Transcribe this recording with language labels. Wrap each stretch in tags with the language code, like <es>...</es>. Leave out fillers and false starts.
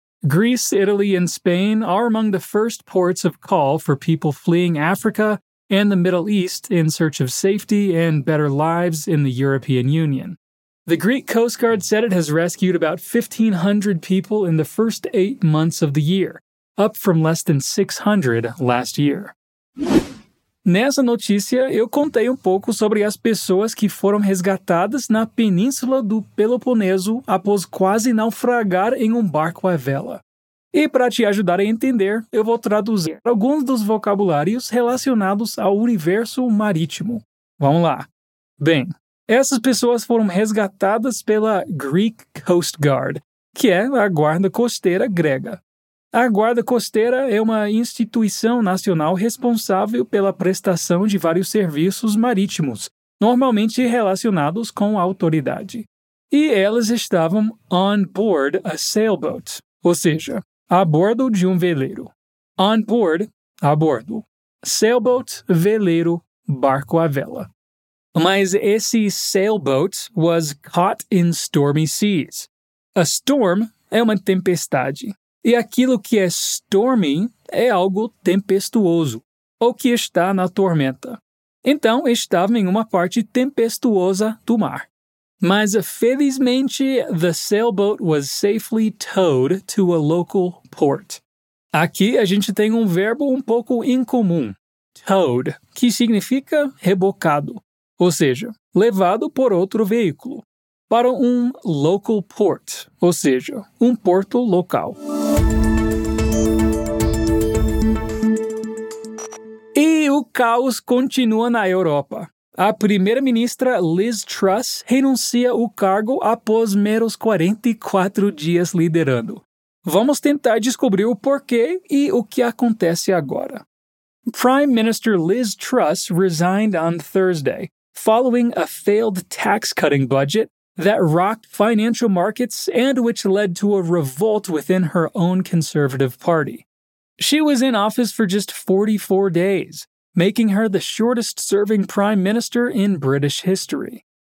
<en>Greece, Italy, and Spain are among the first ports of call for people fleeing Africa and the Middle East in search of safety and better lives in the European Union. The Greek Coast Guard said it has rescued about 1,500 people in the first 8 months of the year, up from less than 600 last year.</en> <pt>Nessa notícia, eu contei pouco sobre as pessoas que foram resgatadas na península do Peloponeso após quase naufragar em barco à vela. E para te ajudar a entender, eu vou traduzir alguns dos vocabulários relacionados ao universo marítimo. Vamos lá. Bem, essas pessoas foram resgatadas pela Greek Coast Guard, que é a guarda costeira grega. A Guarda Costeira é uma instituição nacional responsável pela prestação de vários serviços marítimos, normalmente relacionados com a autoridade. E elas estavam</pt> <en>on board a sailboat,</en> <pt>ou seja, a bordo de veleiro.</pt> <en>On board,</en> <pt>a bordo. Sailboat, veleiro, barco à vela. Mas esse</pt> <en>sailboat was caught in stormy seas.</en> <pt>A storm é uma tempestade. E aquilo que é stormy é algo tempestuoso, ou que está na tormenta. Então, estava em uma parte tempestuosa do mar. Mas, felizmente,</pt> <en>the sailboat was safely towed to a local port.</en> <pt>Aqui, a gente tem verbo pouco incomum, towed, que significa rebocado, ou seja, levado por outro veículo, para local port, ou seja, porto local. O caos continua na Europa. A primeira-ministra Liz Truss renuncia o cargo após meros 44 dias liderando. Vamos tentar descobrir o porquê e o que acontece agora.</pt> <en>Prime Minister Liz Truss resigned on Thursday, following a failed tax-cutting budget that rocked financial markets and which led to a revolt within her own Conservative Party. She was in office for just 44 days, making her the shortest-serving prime minister in British history.</en>